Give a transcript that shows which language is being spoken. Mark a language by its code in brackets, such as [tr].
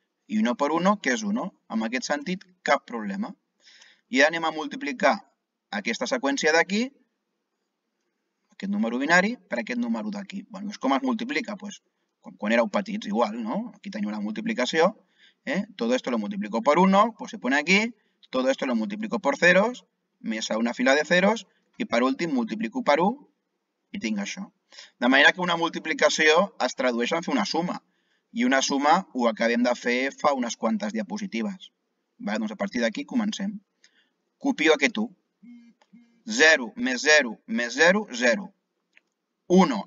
[ca] I 1 per 1, que és 1. En aquest sentit, cap problema. I ara anem a multiplicar aquesta seqüència d'aquí, aquest número binari, per aquest número d'aquí. Bé, doncs com es multiplica? Doncs quan éreu petits, igual, no? Aquí teniu la multiplicació. [es] Todo esto lo multiplico por 1, pues se pone aquí. Todo esto lo multiplico por ceros, [ca] més a una fila de ceros, i per últim multiplico per 1 i tinc això. De manera que una multiplicació es tradueix en fer una suma. I una suma ho acabem de fer fa unes quantes diapositives. Doncs a partir d'aquí comencem. Copio aquest 1. 0 més 0 més 0, 0. 1.